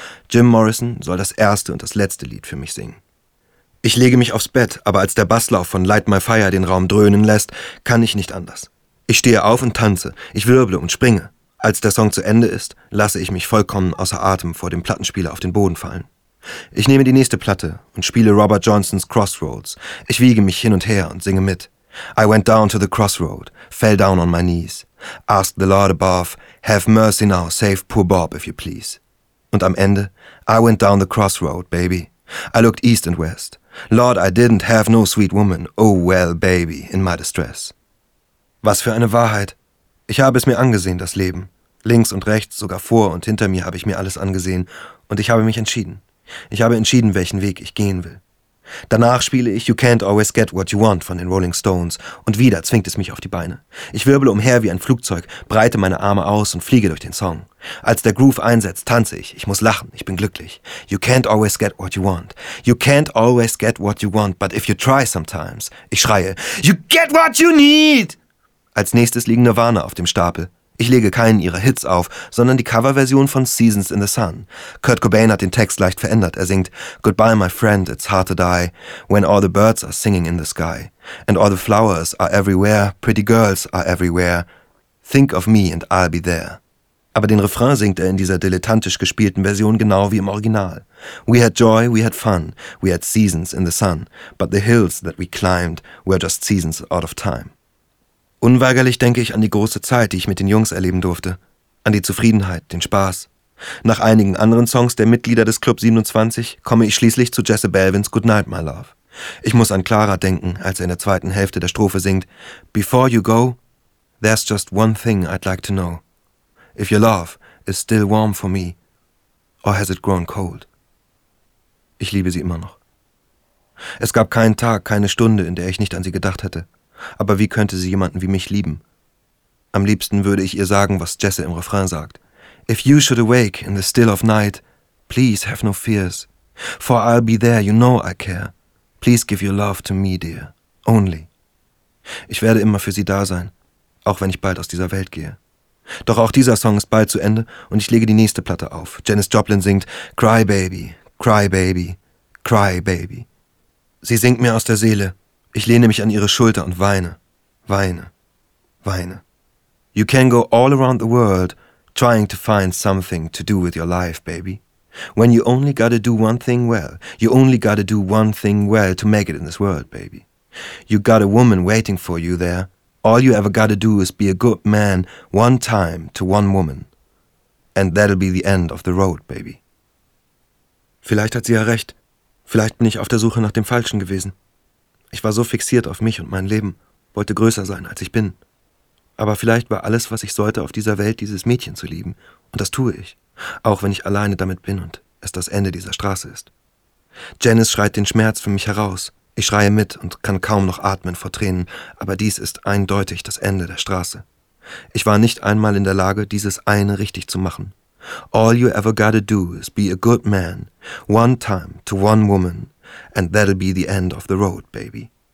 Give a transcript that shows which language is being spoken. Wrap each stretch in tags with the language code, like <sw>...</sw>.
<de>Jim Morrison soll das erste und das letzte Lied für mich singen. Ich lege mich aufs Bett, aber als der Basslauf von Light My Fire den Raum dröhnen lässt, kann ich nicht anders. Ich stehe auf und tanze, ich wirble und springe. Als der Song zu Ende ist, lasse ich mich vollkommen außer Atem vor dem Plattenspieler auf den Boden fallen. Ich nehme die nächste Platte und spiele Robert Johnsons Crossroads. Ich wiege mich hin und her und singe mit.</de> <en>I went down to the crossroad, fell down on my knees. Ask the Lord above, have mercy now, save poor Bob if you please.</en> <de>Und am Ende,</de> <en>I went down the crossroad, baby. I looked east and west. Lord, I didn't have no sweet woman, oh well, baby, in my distress.</en> <de>Was für eine Wahrheit. Ich habe es mir angesehen, das Leben. Links und rechts, sogar vor und hinter mir habe ich mir alles angesehen. Und ich habe mich entschieden. Ich habe entschieden, welchen Weg ich gehen will. Danach spiele ich You Can't Always Get What You Want von den Rolling Stones. Und wieder zwingt es mich auf die Beine. Ich wirbele umher wie ein Flugzeug, breite meine Arme aus und fliege durch den Song. Als der Groove einsetzt, tanze ich. Ich muss lachen. Ich bin glücklich.</de> <en>You can't always get what you want. You can't always get what you want. But if you try sometimes.</en> <de>Ich schreie</de> <en>You get what you need.</en> <de>Als nächstes liegen Nirvana auf dem Stapel. Ich lege keinen ihrer Hits auf, sondern die Coverversion von Seasons in the Sun. Kurt Cobain hat den Text leicht verändert. Er singt</de> <en>Goodbye, my friend, it's hard to die, when all the birds are singing in the sky, and all the flowers are everywhere, pretty girls are everywhere, think of me and I'll be there.</en> <de>Aber den Refrain singt er in dieser dilettantisch gespielten Version genau wie im Original.</de> <en>We had joy, we had fun, we had seasons in the sun, but the hills that we climbed were just seasons out of time.</en> <de>Unweigerlich denke ich an die große Zeit, die ich mit den Jungs erleben durfte. An die Zufriedenheit, den Spaß. Nach einigen anderen Songs der Mitglieder des Club 27 komme ich schließlich zu Jesse Belvins Goodnight, My Love. Ich muss an Clara denken, als er in der zweiten Hälfte der Strophe singt,</de> <en>Before you go, there's just one thing I'd like to know. If your love is still warm for me, or has it grown cold?</en> <de>Ich liebe sie immer noch. Es gab keinen Tag, keine Stunde, in der ich nicht an sie gedacht hätte. Aber wie könnte sie jemanden wie mich lieben? Am liebsten würde ich ihr sagen, was Jesse im Refrain sagt.</de> <en>If you should awake in the still of night, please have no fears. For I'll be there, you know I care. Please give your love to me, dear. Only.</en> <de>Ich werde immer für sie da sein, auch wenn ich bald aus dieser Welt gehe. Doch auch dieser Song ist bald zu Ende und ich lege die nächste Platte auf. Janis Joplin singt Cry Baby, Cry Baby, Cry Baby. Sie singt mir aus der Seele. Ich lehne mich an ihre Schulter und weine, weine, weine.</de> <en>You can go all around the world, trying to find something to do with your life, baby. When you only gotta do one thing well, you only gotta do one thing well to make it in this world, baby. You got a woman waiting for you there. All you ever gotta do is be a good man one time to one woman. And that'll be the end of the road, baby.</en> <de>Vielleicht hat sie ja recht. Vielleicht bin ich auf der Suche nach dem Falschen gewesen. Ich war so fixiert auf mich und mein Leben, wollte größer sein, als ich bin. Aber vielleicht war alles, was ich sollte, auf dieser Welt dieses Mädchen zu lieben. Und das tue ich, auch wenn ich alleine damit bin und es das Ende dieser Straße ist. Janis schreit den Schmerz für mich heraus. Ich schreie mit und kann kaum noch atmen vor Tränen, aber dies ist eindeutig das Ende der Straße. Ich war nicht einmal in der Lage, dieses eine richtig zu machen.</de> <en>All you ever gotta do is be a good man, one time to one woman. And that'll be the end of the road, baby.</en>